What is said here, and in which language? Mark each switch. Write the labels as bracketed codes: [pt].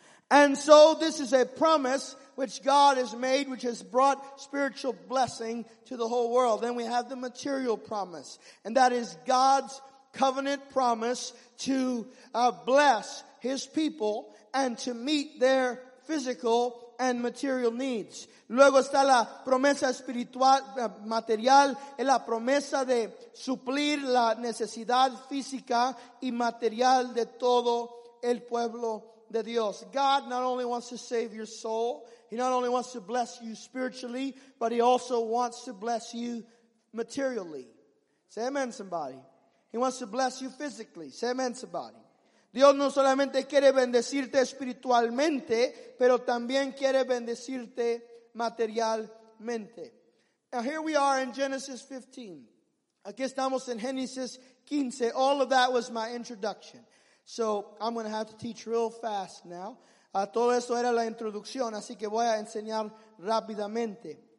[en] And so this is a promise which God has made, which has brought spiritual blessing to the whole world. Then we have the material promise, and that is God's covenant promise to bless his people and to meet their physical and material needs. [es] Luego está la promesa espiritual, material, es la promesa de suplir la necesidad física y material de todo el pueblo de Dios. [en] God not only wants to save your soul, he not only wants to bless you spiritually, but he also wants to bless you materially. Say amen, somebody. He wants to bless you physically. Say amen, somebody. [es] Dios no solamente quiere bendecirte espiritualmente, pero también quiere bendecirte materialmente. [en] Now here we are in Genesis 15. [es] Aquí estamos en Génesis 15. [en] All of that was my introduction. So I'm going to have to teach real fast now. [es] Todo eso era la introducción, así que voy a enseñar rápidamente.